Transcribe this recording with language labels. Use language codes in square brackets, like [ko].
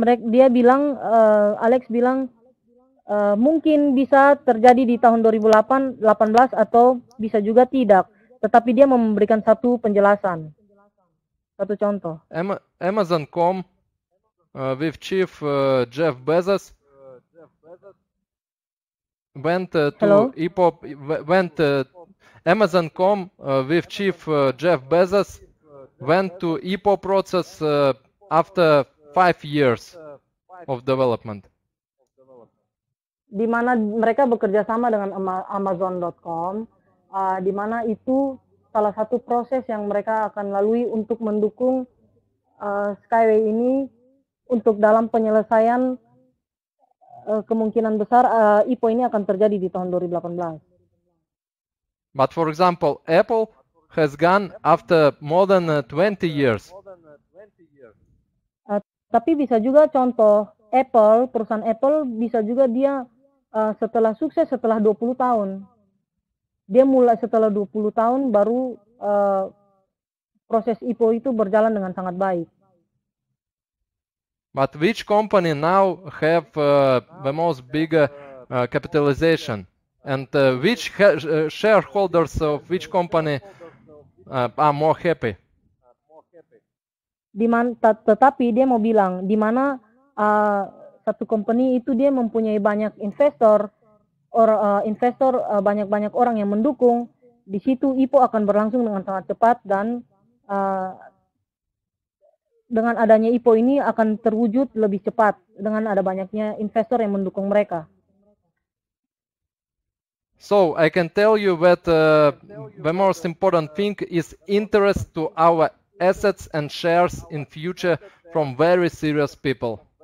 [id] Dia bilang, Alex bilang, mungkin bisa terjadi di tahun 2018 atau bisa juga tidak. Tetapi dia memberikan satu penjelasan, satu contoh. [en] Amazon.com with Chief Jeff Bezos went to IPO. Went. Amazon.com with Chief Jeff Bezos went to IPO process after 5 years of development. [id] Di mana mereka bekerja sama dengan Amazon.com, di mana itu salah satu proses yang mereka akan lalui untuk mendukung Skyway ini untuk dalam penyelesaian kemungkinan besar IPO ini akan terjadi di tahun 2018. [en] But for example, Apple has gone after more than 20 years. [id] Tapi bisa juga contoh Apple, perusahaan Apple bisa juga dia setelah sukses setelah 20 tahun. Dia mulai setelah 20 tahun baru proses IPO itu berjalan dengan sangat baik. [en] But which company now have the most bigger capitalization? And which shareholders of which company are more happy? [id] Tetapi dia mau bilang di mana satu company itu dia mempunyai banyak investor or investor banyak-banyak orang yang mendukung, di situ IPO akan berlangsung dengan sangat cepat dan dengan adanya IPO ini akan terwujud lebih cepat dengan ada banyaknya investor yang mendukung mereka. [en] So I can tell you that the most important thing is interest to our assets and shares in future from very serious people.